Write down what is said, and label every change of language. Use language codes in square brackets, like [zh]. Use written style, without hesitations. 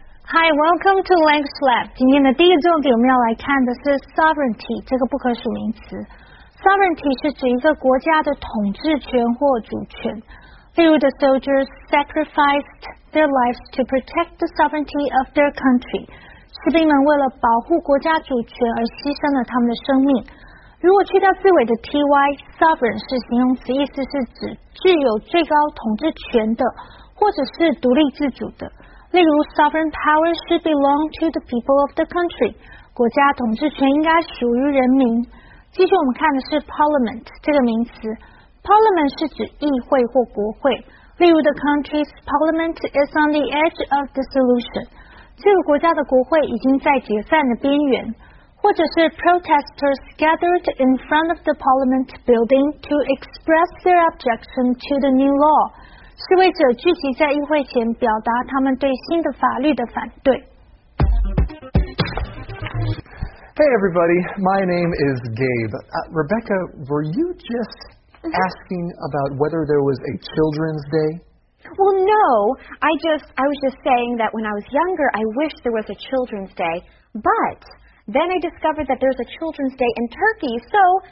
[en] Hi, welcome to Language Lab. [zh] 今天的第一个重点我们要来看的是 sovereignty 这个不可数名词。 Sovereignty 是指一个国家的统治权或主权。例如 [en] the soldiers sacrificed their lives to protect the sovereignty of their country. [zh] 士兵们为了保护国家主权而牺牲了他们的生命。如果去掉字尾的 ty, sovereign 是形容词，意思是指具有最高统治权的或者是独立自主的。例如 [en] sovereign power should belong to the people of the country. [zh] 国家统治权应该属于人民。继续我们看的是 parliament 这个名词。Parliament 是指议会或国会。例如 [en] the country's parliament is on the edge of dissolution. [zh] 这个国家的国会已经在解散的边缘。或者是 [en] protesters gathered in front of the parliament building to express their objection to the new law. [zh] 示威者聚集在议会前表达他们对新的法律的反对。 [en] Hey everybody, my name is Gabe. Rebecca, were you just asking about whether there was a Children's Day? Well, no. I was just saying that when I was younger, I wished there was a Children's Day. But then I discovered that there's a Children's Day in Turkey, so...